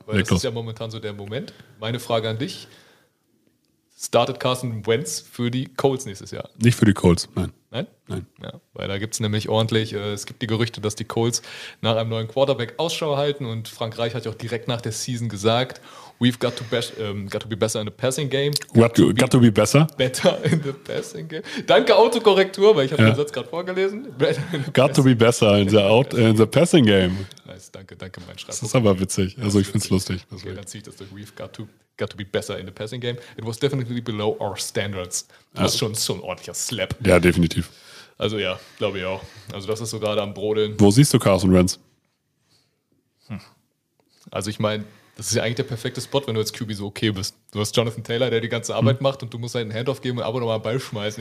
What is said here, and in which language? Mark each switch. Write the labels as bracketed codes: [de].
[de] weil das ist ja momentan so der Moment. Meine Frage an dich: Startet Carson Wentz für die Colts nächstes Jahr? Nicht für die Colts, nein. Nein? Nein. Ja, weil da gibt es nämlich ordentlich, es gibt die Gerüchte, dass die Colts nach einem neuen Quarterback Ausschau halten und Frank Reich hat ja auch direkt nach der Season gesagt, [en] we've got to, got to be better in the passing game. Better in the passing game. [de] Danke Autokorrektur, weil ich habe den Satz gerade vorgelesen. [en] Got to be better in the passing game. [de] Nice, danke, danke, mein Schreiber. Das ist aber witzig. Also ich finde es lustig. Okay, dann ziehe ich das durch. [en] We've got to be better in the passing game. It was definitely below our standards. [de] Das ist schon so ein ordentlicher Slap. Ja, definitiv. Also ja, glaube ich auch. Also das ist so gerade am Brodeln. Wo siehst du Carson Wentz? Also ich meine, das ist ja eigentlich der perfekte Spot, wenn du als QB so okay bist. Du hast Jonathan Taylor, der die ganze Arbeit macht und du musst halt einen Handoff geben und ab und an mal einen Ball schmeißen.